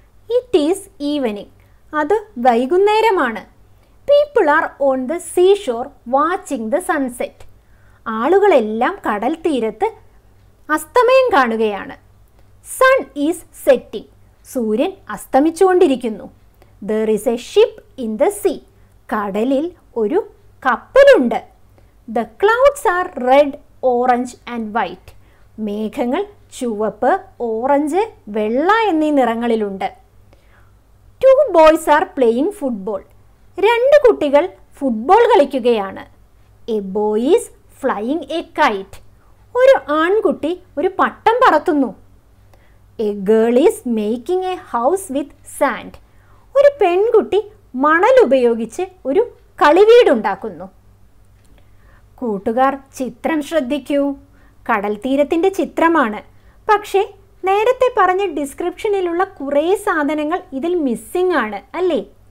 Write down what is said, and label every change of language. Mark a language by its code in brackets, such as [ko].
[en] It is evening. [ml] അത് വൈകുന്നേരമാണ്. [en] People are on the seashore watching the sunset. [ml] ആളുകളെല്ലാം കടൽ തീരത്ത് അസ്തമയം കാണുകയാണ്. [en] Sun is setting. [ml] സൂര്യൻ അസ്തമിച്ചുകൊണ്ടിരിക്കുന്നു. [en] There is a ship in the sea. [ml] കടലിൽ ഒരു കപ്പലുണ്ട്. [en] The clouds are red, orange and white. [ml] മേഘങ്ങൾ ചുവപ്പ്, ഓറഞ്ച്, വെള്ള എന്നീ നിറങ്ങളിലുണ്ട്. [en] Two boys are playing football. [ml] രണ്ട് കുട്ടികൾ ഫുട്ബോൾ കളിക്കുകയാണ്. [en] A boy is flying a kite. [ml] ഒരു ആൺകുട്ടി ഒരു പട്ടം പറത്തുന്നു. [en] A girl is making a house with sand. [ml] ഒരു പെൺകുട്ടി മണൽ ഉപയോഗിച്ച് ഒരു കളിവീടുണ്ടാക്കുന്നു. കൂട്ടുകാർ ചിത്രം ശ്രദ്ധിക്കൂ. കടൽ തീരത്തിൻ്റെ ചിത്രമാണ്. പക്ഷേ നേരത്തെ പറഞ്ഞ ഡിസ്ക്രിപ്ഷനിലുള്ള കുറേ സാധനങ്ങൾ ഇതിൽ മിസ്സിംഗ് ആണ് അല്ലേ?